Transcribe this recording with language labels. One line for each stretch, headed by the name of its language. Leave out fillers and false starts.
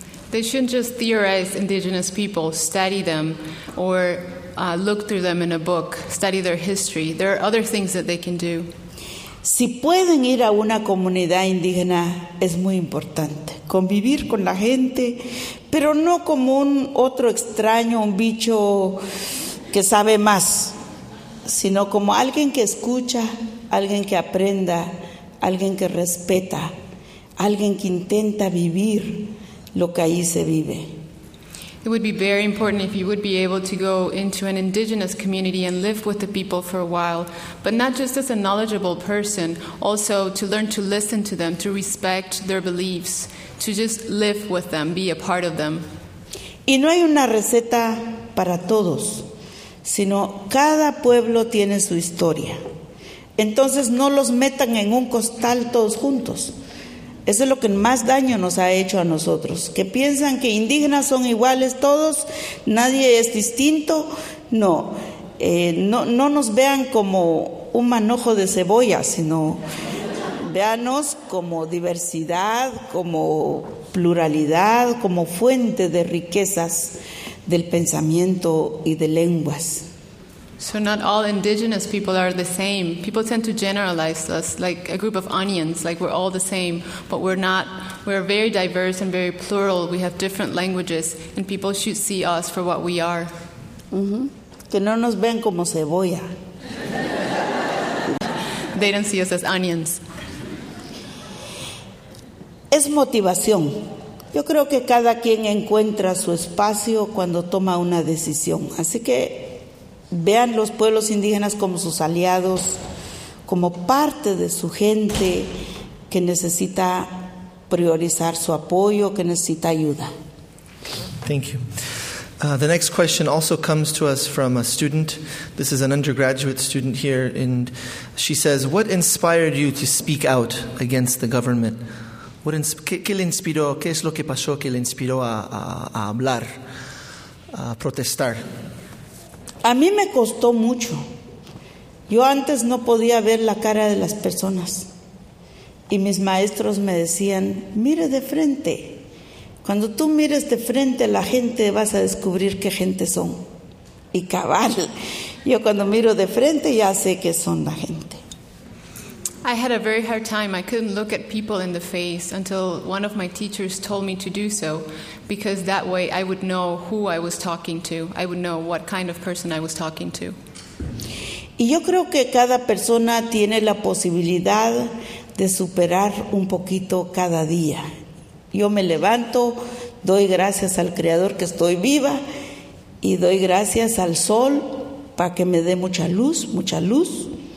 English: They shouldn't just theorize indigenous people, study them, or look through them in a book, study their history. There are other things that they can do.
Spanish: Si pueden ir a una comunidad indígena, es muy importante. Convivir con la gente, pero no como un otro extraño, un bicho que sabe más, sino como alguien que escucha, alguien que aprenda, alguien que respeta, alguien que intenta vivir lo que ahí se vive.
English: It would be very important if you would be able to go into an indigenous community and live with the people for a while, but not just as a knowledgeable person, also to learn to listen to them, to respect their beliefs, to just live with them, be a part of them.
Spanish: Y no hay una receta para todos, sino cada pueblo tiene su historia. Entonces no los metan en un costal todos juntos. Eso es lo que más daño nos ha hecho a nosotros. Que piensan que indígenas son iguales todos, nadie es distinto. No, no nos vean como un manojo de cebolla, sino véanos como diversidad, como pluralidad, como fuente de riquezas del pensamiento y de lenguas.
English: So not all indigenous people are the same. People tend to generalize us like a group of onions, like we're all the same, but we're not. We're very diverse and very plural. We have different languages, and people should see us for what we are.
Spanish: Mm-hmm. Que no nos ven como cebolla.
English: They don't see us as onions.
Spanish: Es motivación. Yo creo que cada quien encuentra su espacio cuando toma una decisión. Así que vean los pueblos indígenas como sus aliados, como parte de su gente que necesita priorizar su apoyo, que necesita ayuda.
English: Thank you. The next question also comes to us from a student. This is an undergraduate student here, and she says, "What inspired you to speak out against the government?
Spanish: What qué le inspiró? ¿Qué es lo que pasó que le inspiró a hablar, a protestar?" A mí me costó mucho. Yo antes no podía ver la cara de las personas. Y mis maestros me decían, mire de frente. Cuando tú mires de frente a la gente, vas a descubrir qué gente son. Y cabal. Yo cuando miro de frente, ya sé qué son la gente.
English: I had a very hard time. I couldn't look at people in the face until one of my teachers told me to do so. Because that way I would know who I was talking to. I would know what kind of person I was talking to.
Spanish: Y yo creo que cada persona tiene la posibilidad de superar un poquito cada día. Yo me levanto, doy gracias al Creador que estoy viva y doy gracias al sol para que me dé mucha luz, mucha luz.